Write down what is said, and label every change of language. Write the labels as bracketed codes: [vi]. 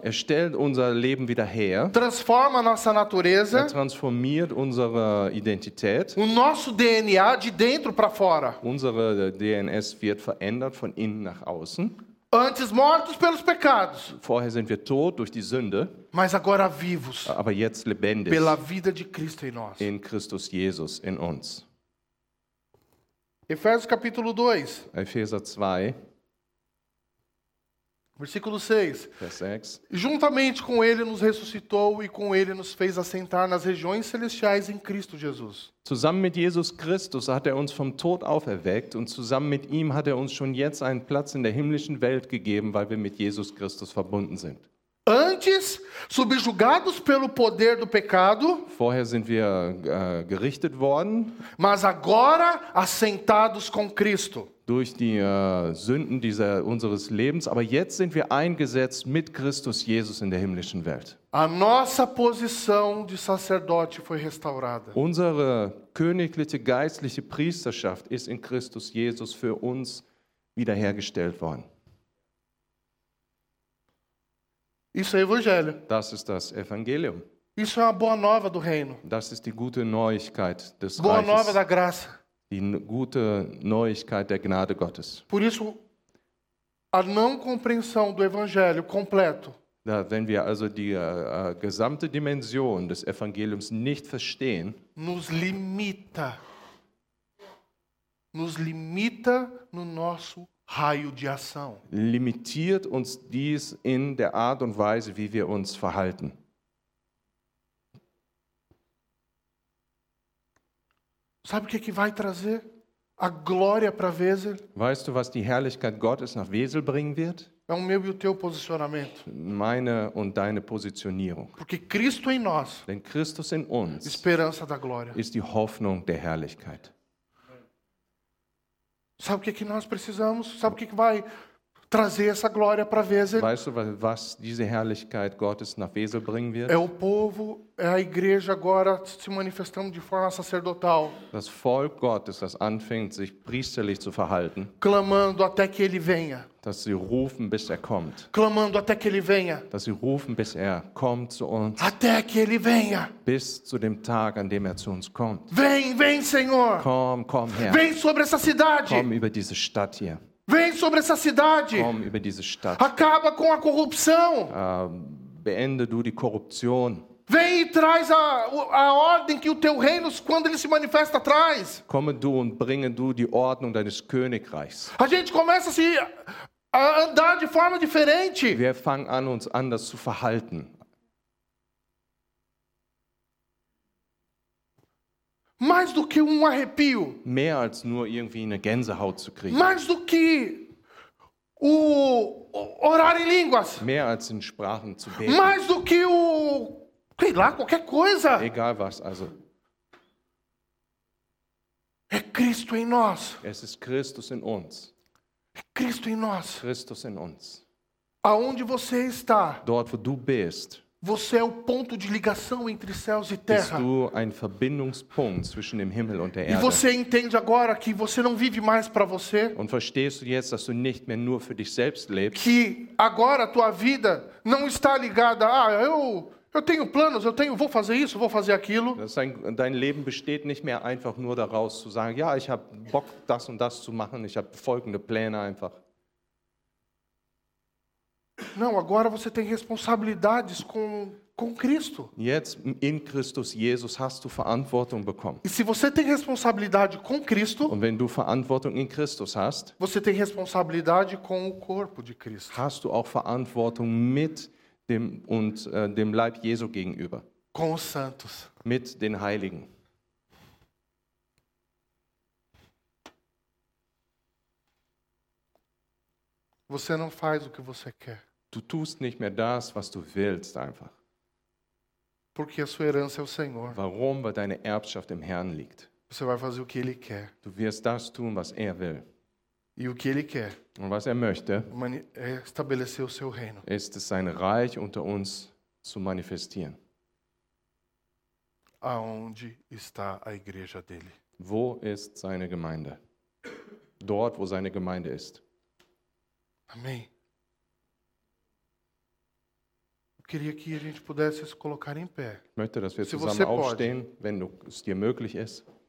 [de] Er stellt unser Leben wieder her. [pt] Transforma a nossa natureza. [de] Er transformiert unsere Identität. [pt] O nosso DNA de dentro para fora. [de] Unsere DNS wird verändert von innen nach außen. [pt] Antes mortos pelos pecados. [de] Vorher sind wir tot durch die Sünde. [pt] Mas agora vivos. [de] Aber jetzt lebendig. [pt] Pela vida de Cristo em nós. [de] In Christus Jesus in uns. [pt] Efésios capítulo 2. Efésios 2. Versículo 6. [de] Vers 6. [pt] Juntamente com ele nos ressuscitou e com ele nos fez assentar nas regiões celestiais em Cristo Jesus. [de] Zusammen mit Jesus Christus hat uns vom Tod auferweckt und zusammen mit ihm hat uns schon jetzt einen Platz in der himmlischen Welt gegeben, weil wir mit Jesus Christus verbunden sind. [pt] Antes, subjugados pelo poder do pecado, [de] vorher sind wir gerichtet worden, [pt] mas agora assentados com Cristo. [de] Durch die Sünden dieser unseres Lebens, aber jetzt sind wir eingesetzt mit Christus Jesus in der himmlischen Welt. [pt] A nossa posição de sacerdote foi restaurada. [de] Unsere königliche geistliche Priesterschaft ist in Christus Jesus für uns wiederhergestellt worden. [pt] Isso é evangelho. [de] Das ist das Evangelium. [pt] Isso é uma boa nova do reino. [de] Das ist die gute Neuigkeit des Reiches. [pt] Boa nova da graça. [de] Die gute Neuigkeit der Gnade Gottes. [pt] Por isso, a não compreensão do evangelho completo. [de] Da, wenn wir also die gesamte Dimension des Evangeliums nicht verstehen, [pt] nos limita no nosso raio de ação. [de] Limitiert uns dies in der Art und Weise, wie wir uns verhalten. [pt] Sabe o que vai trazer a glória para Wesel? [de] Weißt du, was die Herrlichkeit Gottes nach Wesel bringen wird? [pt] É o meu e o teu posicionamento. [de] Meine und deine Positionierung. [pt] Porque Cristo em nós. [de] Denn Christus in uns. [pt] Esperança da glória. [de] Ist die Hoffnung der Herrlichkeit. [pt] Sabe o que nós precisamos? Sabe o que vai trazer essa glória para Wesel? [de] Weißt du, was diese Herrlichkeit Gottes nach Wesel bringen wird? [pt] É o povo, é a igreja agora se manifestando de forma sacerdotal. [de] Das Volk Gottes, das anfängt sich priesterlich zu verhalten. [pt] Clamando até que ele venha. [de] Dass sie rufen, bis er kommt. [pt] Clamando até que ele venha. [de] Dass sie rufen, bis er kommt zu uns. [pt] Até que ele venha. [de] Bis zu dem Tag, an dem er zu uns kommt. [pt] Vem, vem, Senhor. [de] Komm, komm her. [pt] Vem sobre essa cidade. [de] Komm über diese Stadt hier. [pt] Vem sobre essa cidade. [de] Komm über diese Stadt. [pt] Acaba com a corrupção. [de] Beende du die Korruption. [pt] Vem e traz a ordem que o teu reino, quando ele se manifesta, traz. [de] Komme du und bringe du die Ordnung deines Königreichs. [pt] A gente começa a andar de forma diferente. [de] Wir fangen an, uns anders zu verhalten. [pt] Mais do que arrepio. [de] Mehr als nur irgendwie eine Gänsehaut zu kriegen. [pt] Mais do que orar em línguas. [de] Mehr als in Sprachen zu beten. [pt] Mais do que sei lá, qualquer coisa. [de] Egal was, also. [pt] É Cristo em nós. [de] Es ist Christus in uns. [pt] É Cristo em nós. [de] Christus in uns. [pt] Aonde você está? [de] Dort wo du bist. [pt] Você é o ponto de ligação entre céus e terra. [de] Bist du ein Verbindungspunkt zwischen dem Himmel und der Erde. [pt] E você entende agora que você não vive mais para você? [de] Und verstehst du jetzt, dass du nicht mehr nur für dich selbst lebst? [pt] Que agora a tua vida não está ligada a eu tenho planos, eu tenho, vou fazer isso, vou fazer aquilo. [de] Dein Leben besteht nicht mehr einfach nur daraus zu sagen, ja, ich habe Bock das und das zu machen, ich habe folgende Pläne einfach. [pt] Não, agora você tem responsabilidades com Cristo. [de] Jetzt in Christus Jesus hast du Verantwortung bekommen. [pt] E se você tem responsabilidade com Cristo, [de] und wenn du Verantwortung in Christus hast, [pt] você tem responsabilidade com o corpo de Cristo. [de] Hast du auch Verantwortung mit dem und dem Leib Jesu gegenüber. [pt] Com os santos. [de] Mit den Heiligen. [pt] Você não faz o que você quer. [de] Du tust nicht mehr das, was du willst, einfach. [pt] Porque a sua herança é o Senhor. [de] Warum? Weil deine Erbschaft im Herrn liegt. [pt] Você vai fazer o que ele quer. [de] Du wirst das tun, was er will. [pt] E o que ele quer? [de] Und was er möchte, [pt] estabelecer o seu reino. [de] Ist es sein Reich unter uns zu manifestieren. [pt] Aonde está a igreja dele? [de] Wo ist seine Gemeinde? Dort, wo seine Gemeinde ist. [pt] Amém. Eu queria que a gente pudesse se colocar em pé. [de] Ich möchte, dass wir zusammen aufstehen, wenn es dir möglich ist.